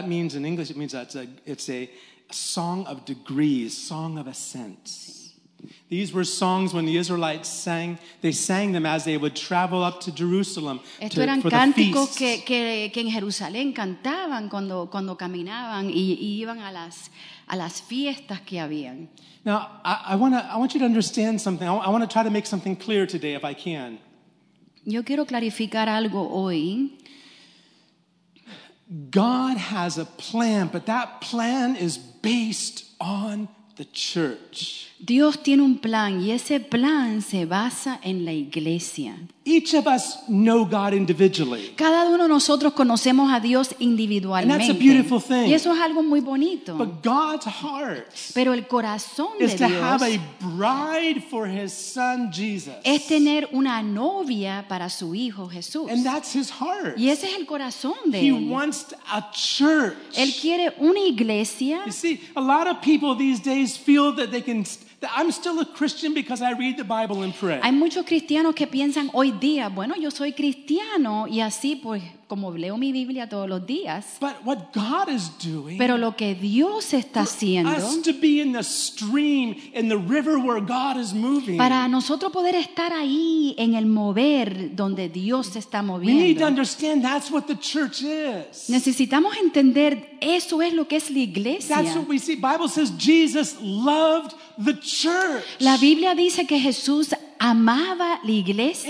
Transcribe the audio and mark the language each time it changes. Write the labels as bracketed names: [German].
[English] That means in English, it means that it's a song of degrees, song of ascents. These were songs when the Israelites sang. They sang them as they would travel up to Jerusalem to, for the feasts. [Spanish] Estos eran cánticos que en Jerusalén cantaban cuando caminaban y iban a las fiestas que habían. [English] Now, I want you to understand something. I want to try to make something clear today, if I can. [Spanish] Yo quiero clarificar algo hoy. [English] God has a plan, but that plan is based on the church. [Spanish] Dios tiene un plan, y ese plan se basa en la iglesia. [English] Each of us know God individually. [Spanish] Cada uno de nosotros conocemos a Dios individualmente. [English] And that's a beautiful thing. [Spanish] Y eso es algo muy bonito. [English] But God's heart. [Spanish] Pero el corazón de Dios. [English] Is to have a bride for His Son Jesus. [Spanish] Es tener una novia para su hijo Jesús. [English] And that's His heart. [Spanish] Y ese es el corazón de [English] He [Spanish] él. [English] He wants a church. [Spanish] Él quiere una iglesia. [English] You see, a lot of people these days feel that they can. I'm still a Christian because I read the Bible and pray. [Spanish] Hay muchos cristianos que piensan hoy día, bueno, yo soy cristiano y así pues como leo mi Biblia todos los días. [English] But what God is doing. [Spanish] Pero lo que Dios está haciendo. [English] For us to be in the stream, in the river where God is moving. [Spanish] Para nosotros poder estar ahí en el mover donde Dios está moviendo. [English] We need to understand that's what the church is. [Spanish] Necesitamos entender eso es lo que es la iglesia. [English] That's what we see. Bible says Jesus loved the church. [Spanish] La Biblia dice que Jesús amaba la iglesia.